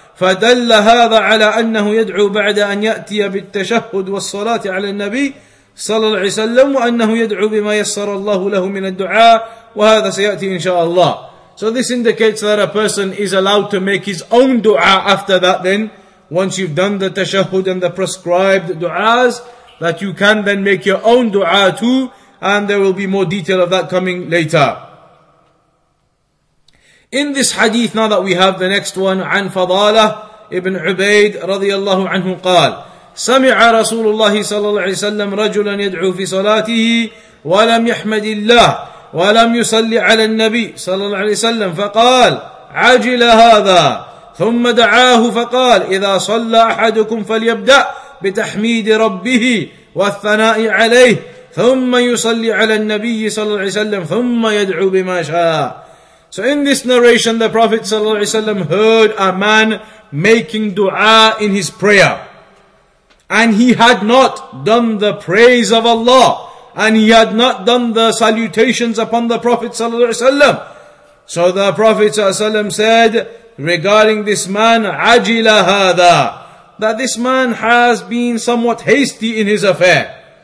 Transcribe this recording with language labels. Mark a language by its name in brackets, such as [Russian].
[Arabic] فَدَلَّ هَذَا عَلَى أَنَّهُ يَدْعُو بَعْدَ أَنْ يَأْتِيَ بِالتَّشَهُّدْ وَالصَّلَاةِ عَلَى النَّبِيِّ صَلَى اللَّهُ عَلَيْهِ وَسَلَّمْ وَأَنَّهُ يَدْعُو بِمَا يَسَّرَ اللَّهُ لَهُ مِنَ الدُّعَى وَهَذَا سَيَأْتِي إِنْ شَاءَ اللَّهُ. [English] So this indicates that a person is allowed to make his own dua after that then, once you've done the tashahhud and the prescribed du'as, that you can then make your own dua too, and there will be more detail of that coming later. In this hadith, now that we have the next one, [Arabic] عن فضالة ابن عبيد رضي الله عنه قال سمع رسول الله صلى الله عليه وسلم رجلا يدعو في صلاته ولم يحمد الله ولم يصلي على النبي صلى الله عليه وسلم فقال عجل هذا ثم دعاه فقال إذا صلى أحدكم فليبدأ بتحميد ربه والثناء عليه ثم يصلي على النبي صلى الله عليه وسلم ثم يدعو بما شاء. [English] So in this narration, the Prophet ﷺ heard a man making dua in his prayer. And he had not done the praise of Allah. And he had not done the salutations upon the Prophet ﷺ. So the Prophet ﷺ said, regarding this man, [Arabic] عَجِلَ هَذَا, [English] that this man has been somewhat hasty in his affair.